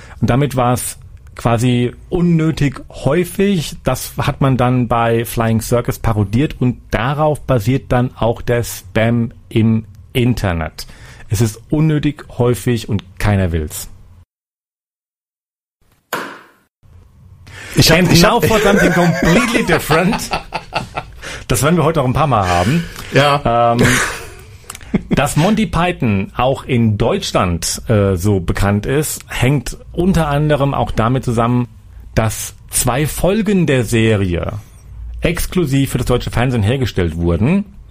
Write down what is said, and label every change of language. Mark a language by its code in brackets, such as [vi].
[de] Und damit war es quasi unnötig häufig. Das hat man dann bei Flying Circus parodiert und darauf basiert dann auch der Spam im Internet. Es ist unnötig häufig und keiner will's. [en] Now for something completely different. [de] Das werden wir heute noch ein paar Mal haben. Ja. Dass Monty Python auch in Deutschland so bekannt ist, hängt unter anderem auch damit zusammen, dass zwei Folgen der Serie exklusiv für das deutsche Fernsehen hergestellt wurden.